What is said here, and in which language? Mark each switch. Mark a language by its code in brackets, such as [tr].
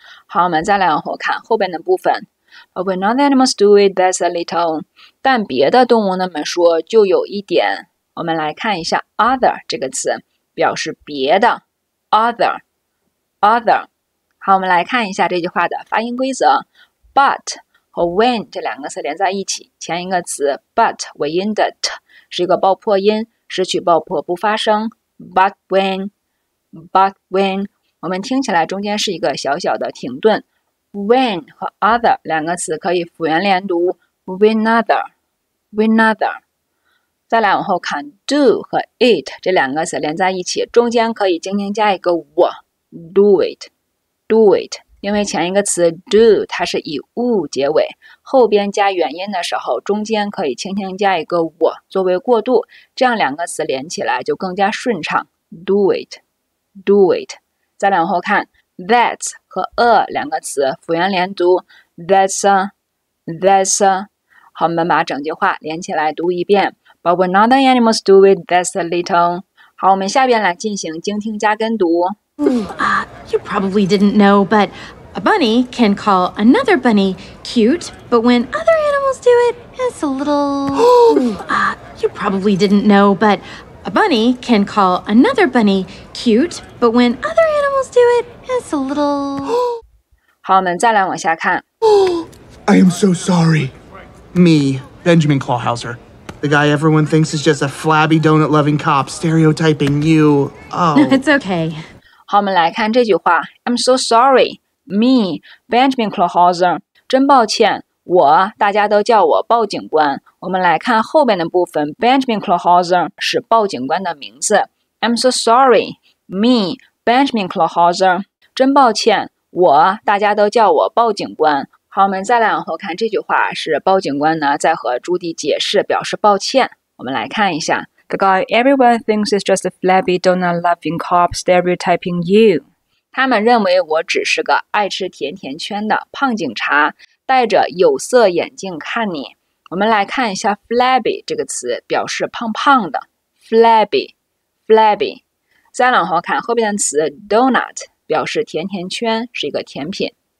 [zh] 好我们再来往后看后边的部分 [en] But when other animals do it that's a little [zh] 但别的动物那么说就有一点我们来看一下 other 这个词表示别的 other other好，我们来看一下这句话的发音规则。 But 和 when 这两个词连在一起，前一个词 but 尾音的 t 是一个爆破音，失去爆破不发声。 [en] But when, but when， [zh] 我们听起来中间是一个小小的停顿。 When 和 other 两个词可以辅元连读 ， [en] when other, when other。 [zh] 再来往后看 ，do 和 it 这两个词连在一起，中间可以轻轻加一个 wo， [en] do it。 Do it， [zh] 因为前一个词 do 它是以 wo 结尾，后边加元音的时候，中间可以轻轻加一个 wo 作为过渡，这样两个词连起来就更加顺畅。 [en] Do it， do it。 [zh] 再往后看 ，that's 和 a 两个词辅元连读 ， [en] that's a， that's a。 [zh] 好，我们把整句话连起来读一遍。 [en] But when other animals do it, that's a little。 [zh] 好，我们下边来进行精听加跟读。 [en] You probably didn't know, but a bunny can call another bunny cute, but when other animals do it, it's a little. You probably didn't know, but a bunny can call another bunny cute, but when other animals do it, it's a little. [zh] 好，我们再来往下看。 [en] I am so sorry. Me, Benjamin Clawhauser, the guy everyone thinks is just a flabby donut-loving cop stereotyping you. Oh, it's okay. [zh] 好，我们来看这句话。 [en] I'm so sorry, me, Benjamin Clawhauser. [zh] 真抱歉，我，大家都叫我鲍警官。我们来看后边的部分。 Benjamin Clawhauser 是鲍警官的名字。 [en] I'm so sorry, me, Benjamin Clawhauser. [zh] 真抱歉，我，大家都叫我鲍警官。好，我们再来往后看这句话，是鲍警官呢在和朱迪解释，表示抱歉。我们来看一下。 [en] The guy everyone thinks is just a flabby donut-loving cop stereotyping you. [zh] 他们认为我只是个爱吃甜甜圈的胖警察，戴着有色眼镜看你。我们来看一下 flabby 这个词，表示胖胖的。 [en] flabby, flabby. [zh] 再往后看后边的词 donut， 表示甜甜圈，是一个甜品。